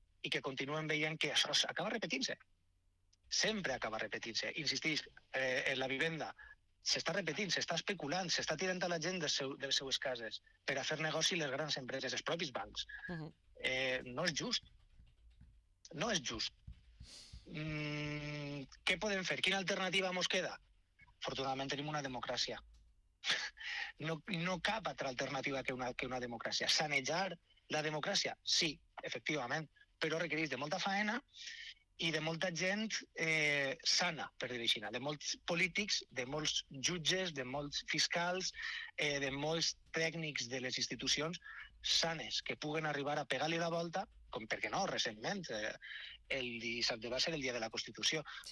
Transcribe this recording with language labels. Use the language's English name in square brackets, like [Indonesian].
[Catalan] I que continuem veient que això acaba repetint-se. Sempre acaba repetint-se. Insistís, en la vivenda s'està repetint, s'està especulant, s'està tirant a la gent de les seues cases per a fer negoci les grans empreses, els propis bancs. No és just. [Spanish] no es justo. ¿Qué pueden hacer? ¿Quién alternativa nos queda? Afortunadamente tenemos una democracia. [Catalan] No cap otra alternativa que una democracia. ¿Sanejar la democracia? Sí, efectivamente, pero requerís de molta faena i de molta gent sana, per dir-ho així, de molts polítics, de molts jutges, de molts fiscals, de molts tècnics de les institucions sanes que puguen arribar a pegar-li la volta, com perquè no, recentment, el dissabte va ser el dia de la Constitució. Sí.